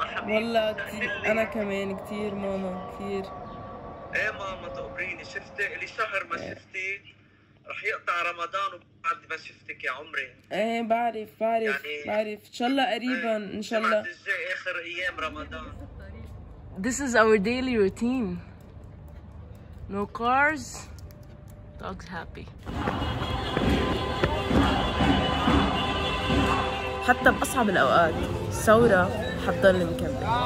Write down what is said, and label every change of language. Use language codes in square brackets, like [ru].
[ar] انا كمان كثير ماما كثير ايه ماما تقبريني شفتي لي شهر ما شفتي رح يقطع رمضان وبعد ما شفتك يا عمري ايه بعرف بعرف يعني بعرف ان شاء الله قريبا ان شاء الله بعد الجاي اخر ايام رمضان [en] This is our daily routine No cars dogs happy [ar] حتى بأصعب الأوقات ثورة حتضل مكملة